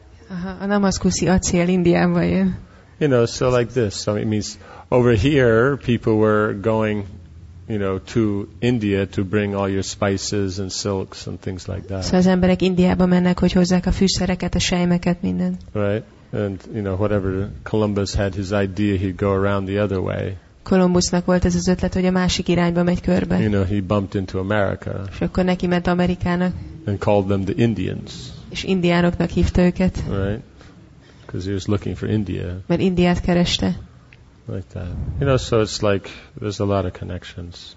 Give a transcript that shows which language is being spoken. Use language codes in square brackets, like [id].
[hu] Aha, a namaszkuszi acél Indiában jön. [en] You know, so like this. So it means over here people were going, you know, to India to bring all your spices and silks and things like that. [hu] Szóval az emberek Indiába mennek, hogy hozzák a fűszereket, a sejmeket, minden. [en] Right. And you know, whatever Columbus had his idea, he'd go around the other way. [hu] Kolumbusznak volt ez az ötlet, hogy a másik irányba megy körbe. [en] You know, he bumped into America. [hu] És akkor neki ment Amerikának. [en] And called them the Indians. [hu] És indiánoknak hívta őket. [en] Right. Because he was looking for India. [hu] Mert Indiát kereste. [en] Like that. You know, so it's like there's a lot of connections.